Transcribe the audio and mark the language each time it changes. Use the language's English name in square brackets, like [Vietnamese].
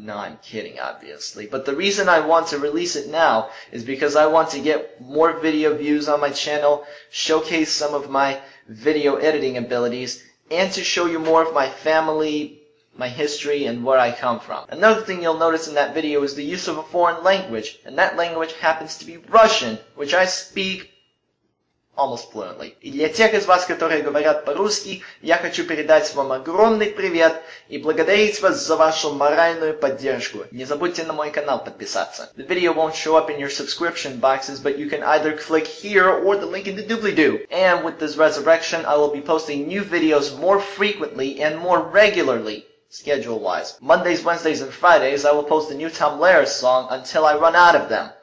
[English] No, I'm kidding, obviously. But the reason I want to release it now is because I want to get more video views on my channel, showcase some of my video editing abilities, and to show you more of my family, my history, and where I come from. Another thing you'll notice in that video is the use of a foreign language, and that language happens to be Russian, which I speak almost fluently. [Russian] И для тех из вас, которые говорят по-русски, я хочу передать вам огромный привет и благодарить вас за вашу моральную поддержку. Не забудьте на мой канал подписаться. [English] The video won't show up in your subscription boxes, but you can either click here or the link in the doobly-doo. And with this resurrection, I will be posting new videos more frequently and more regularly. Schedule-wise. Mondays, Wednesdays, and Fridays, I will post a new Tom Lehrer song until I run out of them.